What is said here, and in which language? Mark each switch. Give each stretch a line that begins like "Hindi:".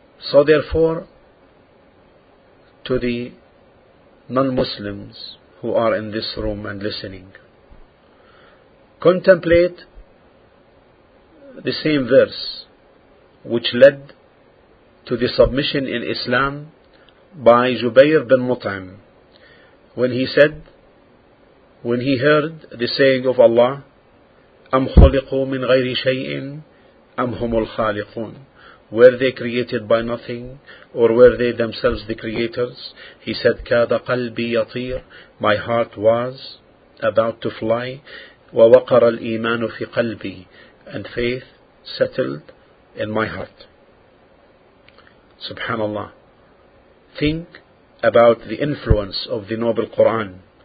English: So therefore, to the non-Muslims who are in this room and listening, contemplate the same verse which led to the submission in Islam by Jubair bin Mut'im, when he said, when he heard the saying of Allah,
Arabic: أَمْ خُلِقُوا مِنْ غَيْرِ شَيْءٍ أَمْ هُمُ الْخَالِقُونَ.
English: Were they created by nothing, or were they themselves the creators? He said,
Arabic: كَادَ قَلْبِي يَطِيرُ.
English: My heart was about to fly.
Arabic: وَوَقَرَ الْإِيمَانُ فِي قَلْبِي.
English: And faith settled in my heart. Subhanallah. Think about the influence of the noble Quran.